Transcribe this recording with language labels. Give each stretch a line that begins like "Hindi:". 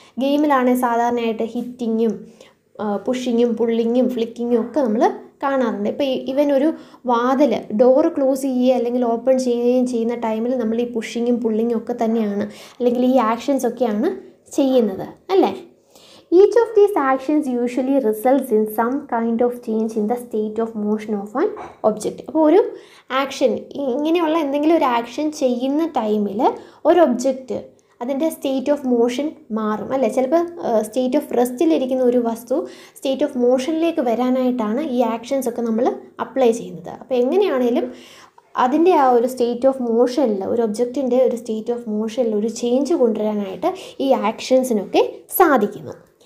Malayalam: ഗെയിമിലാണെങ്കിൽ സാധാരണയായിട്ട് ഹിറ്റിങ്ങും പുഷിങ്ങും പുള്ളിങ്ങും ഫ്ലിക്കിങ്ങും ഒക്കെ നമ്മൾ കാണാറുണ്ട്. ഇപ്പോൾ ഇവൻ ഒരു വാതിൽ ഡോറ് ക്ലോസ് ചെയ്യുകയോ അല്ലെങ്കിൽ ഓപ്പൺ ചെയ്യുകയും ചെയ്യുന്ന ടൈമിൽ നമ്മൾ ഈ പുഷിങ്ങും പുള്ളിങ്ങും ഒക്കെ തന്നെയാണ് അല്ലെങ്കിൽ ഈ ആക്ഷൻസ് ഒക്കെയാണ് ചെയ്യുന്നത് അല്ലേ.
English: Each of these actions usually results in some kind of change in the state of motion of an object.
Malayalam: അപ്പോൾ ഒരു ആക്ഷൻ, ഇങ്ങനെയുള്ള എന്തെങ്കിലും ഒരു ആക്ഷൻ ചെയ്യുന്ന ടൈമിൽ ഒരു ഒബ്ജക്റ്റ് അതിൻ്റെ സ്റ്റേറ്റ് ഓഫ് മോഷൻ മാറും അല്ലേ. ചിലപ്പോൾ സ്റ്റേറ്റ് ഓഫ് റെസ്റ്റിലിരിക്കുന്ന ഒരു വസ്തു സ്റ്റേറ്റ് ഓഫ് മോഷനിലേക്ക് വരാനായിട്ടാണ് ഈ ആക്ഷൻസ് ഒക്കെ നമ്മൾ അപ്ലൈ ചെയ്യുന്നത്. അപ്പോൾ എങ്ങനെയാണേലും അതിൻ്റെ ആ ഒരു സ്റ്റേറ്റ് ഓഫ് മോഷനിൽ, ഒരു ഒബ്ജക്റ്റിൻ്റെ ഒരു സ്റ്റേറ്റ് ഓഫ് മോഷനിൽ ഒരു ചേഞ്ച് കൊണ്ടുവരാനായിട്ട് ഈ ആക്ഷൻസിനൊക്കെ സാധിക്കുന്നു.